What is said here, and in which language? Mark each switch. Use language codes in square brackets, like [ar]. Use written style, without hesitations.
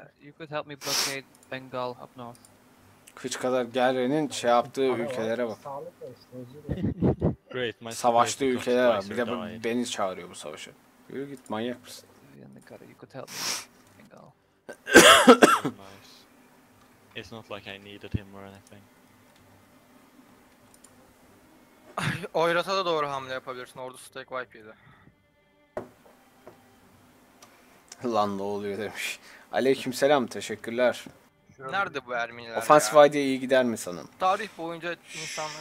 [en] You could help me blockade Bengal up north. [tr] Kıç kadar Gelre'nin şey yaptığı ülkelere bak. [en] Great, my [tr] savaştığı ülkeler var. Bir de beni çağırıyor bu savaşa. Yürü git, manyak mısın? [en] You could help me Bengal. Nice. It's not like I needed him or anything. [tr] Oyrat'a da doğru hamle yapabilirsin. Ordusu tek wipe yedi. Lan ne oluyor demiş. Aleykümselam, teşekkürler. Nerede bu Ermeniler? Offensive ya? Idea iyi gider mi sanırım? Tarih boyunca insanlar